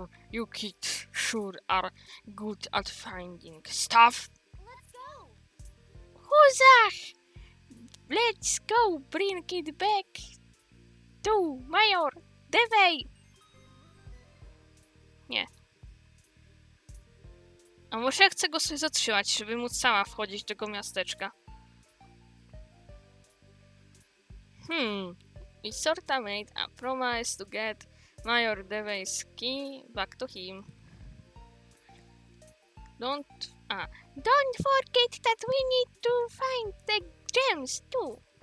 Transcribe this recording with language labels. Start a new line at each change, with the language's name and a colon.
English: You kids sure are good at finding stuff. Let's go! Who's that? Let's go bring it back to Major Devay!
Polish: Nie. A może ja chcę go sobie zatrzymać, żeby móc sama wchodzić do tego miasteczka.
English: We sort of made a promise to get Major Devay's key back to him. Don't forget that we need to find the gems too.